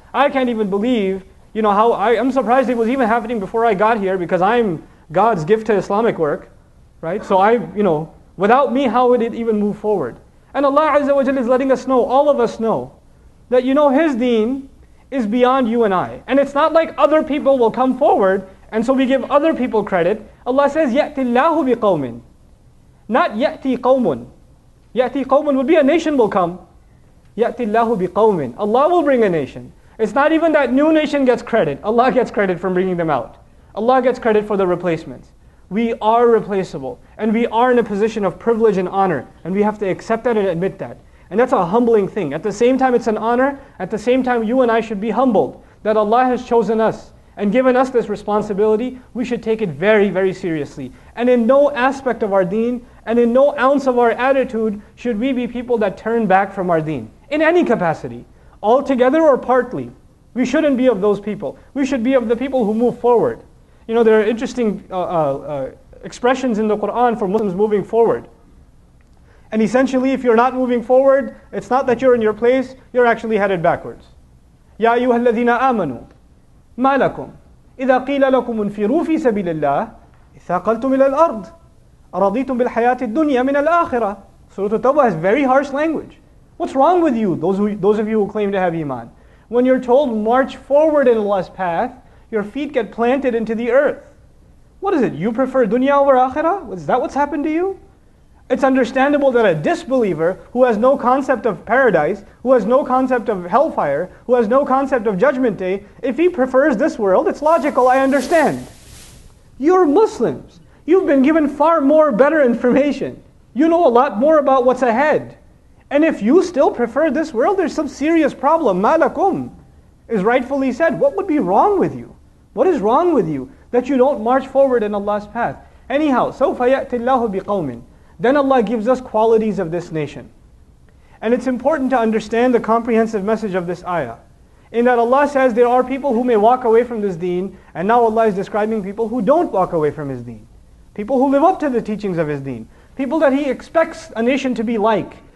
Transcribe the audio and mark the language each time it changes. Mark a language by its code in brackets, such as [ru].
[en] I can't even believe, you know, how I'm surprised it was even happening before I got here, because I'm God's gift to Islamic work, right? So I, you know, without me, how would it even move forward? And Allah Azza wa Jalla is letting us know, all of us know, that you know His deen is beyond you and I. And it's not like other people will come forward, and so we give other people credit. [ar] Allah says, يَأْتِ اللَّهُ بِقَوْمٍ. Not يَأْتِ قَوْمٌ. [en] يَأْتِ قَوْمٌ would be a nation will come. يَأْتِ اللَّهُ بِقَوْمٍ. Allah will bring a nation. It's not even that new nation gets credit. Allah gets credit for bringing them out. Allah gets credit for the replacements. We are replaceable, and we are in a position of privilege and honor, and we have to accept that and admit that. And that's a humbling thing. At the same time it's an honor, at the same time you and I should be humbled that Allah has chosen us and given us this responsibility. We should take it very, very seriously. And in no aspect of our deen, and in no ounce of our attitude, should we be people that turn back from our deen, in any capacity, altogether or partly. We shouldn't be of those people. We should be of the people who move forward. You know, there are interesting expressions in the Qur'an for Muslims moving forward. And essentially, if you're not moving forward, it's not that you're in your place, you're actually headed backwards. [ar] يَا أَيُّهَا الَّذِينَ آمَنُوا مَا لَكُمْ إِذَا قِيلَ لَكُمْ انْفِرُوا فِي سَبِيلِ اللَّهِ اثَّاقَلْتُمْ إِلَى الْأَرْضِ أَرَضِيتُمْ بِالْحَيَاةِ الدُّنْيَا مِنَ الْآخِرَةِ Surah At-Tawbah has very harsh language. [en] What's wrong with you, those of you who claim to have iman? When you're told, march forward in Allah's path, your feet get planted into the earth. What is it? You prefer dunya over akhirah? Is that what's happened to you? It's understandable that a disbeliever who has no concept of paradise, who has no concept of hellfire, who has no concept of judgment day, if he prefers this world, it's logical, I understand. You're Muslims. You've been given far more better information. You know a lot more about what's ahead. And if you still prefer this world, there's some serious problem. Malakum is rightfully said. What would be wrong with you? What is wrong with you that you don't march forward in Allah's path? Anyhow, سَوْفَ يَأْتِ اللَّهُ بِقَوْمٍ. Then Allah gives us qualities of this nation. And it's important to understand the comprehensive message of this ayah, in that Allah says there are people who may walk away from this deen, and now Allah is describing people who don't walk away from His deen. People who live up to the teachings of His deen. People that He expects a nation to be like.